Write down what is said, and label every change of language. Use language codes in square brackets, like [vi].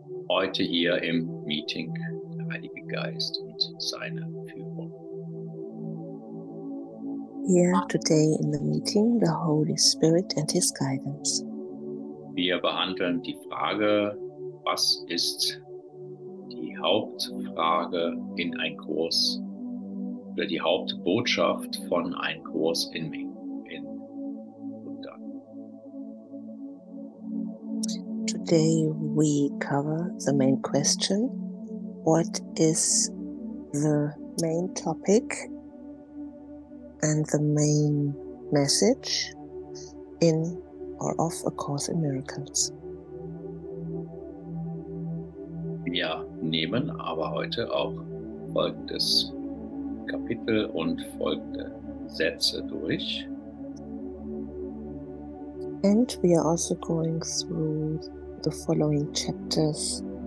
[de] Heute hier im Meeting der Heilige Geist und seine Führung. [en] Here today in the meeting the Holy Spirit and his guidance. [de] Wir behandeln die Frage, was ist die Hauptfrage in ein Kurs? Die Hauptbotschaft von einem Kurs in Wundern. [en] Today we cover the main question. What is the main topic and the main message in or of A Course in Miracles? [de] Wir nehmen aber heute auch folgendes Kapitel und folgende Sätze durch. [en] And we are also going through the following chapters.